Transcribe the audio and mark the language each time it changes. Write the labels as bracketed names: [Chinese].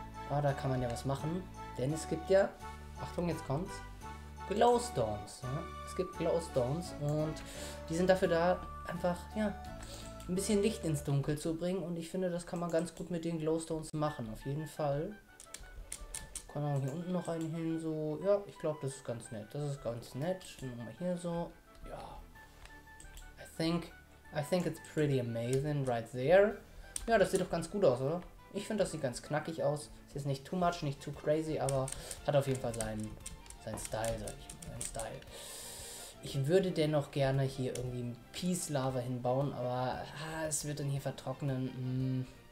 [German] Ah, da kann man ja was machen, denn es gibt ja, Achtung, jetzt kommt's, Glowstones, ja? Es gibt Glowstones und die sind dafür da, einfach, ja, ein bisschen Licht ins Dunkel zu bringen und ich finde, das kann man ganz gut mit den Glowstones machen, auf jeden Fall. Kann man hier unten noch einen hin, so, ja, ich glaube, das ist ganz nett, das ist ganz nett. Nochmal hier so, ja, [English] I think it's pretty amazing right there. [German] Ja, das sieht doch ganz gut aus, oder? Ich finde, das sieht ganz knackig aus. Ist jetzt nicht too much, nicht too crazy, aber hat auf jeden Fall seinen Style, sag ich mal. Seinen Style. Ich würde dennoch gerne hier irgendwie ein Peace Lava hinbauen, aber es wird dann hier vertrocknen.